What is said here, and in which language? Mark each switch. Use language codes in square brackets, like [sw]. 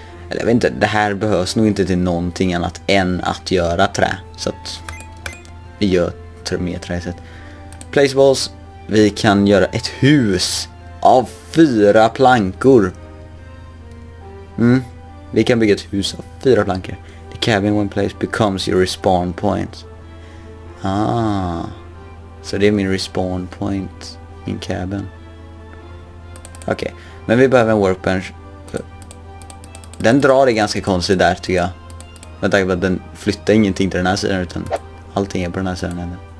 [sv] Eller jag vet inte, det här behövs nog inte till någonting annat än att göra trä. Så att vi gör mer trä i sätt. Placeballs, vi kan göra ett hus av fyra plankor. Mm, vi kan bygga ett hus av fyra plankor. [en] The cabin one place becomes your respawn point. [sv] Ah, så det är min respawn point, min cabin. Okej, men vi behöver en workbench. Den drar det ganska konstigt där, tycker jag. Med tanke på att den flyttar ingenting till den här sidan, utan allting är på den här sidan.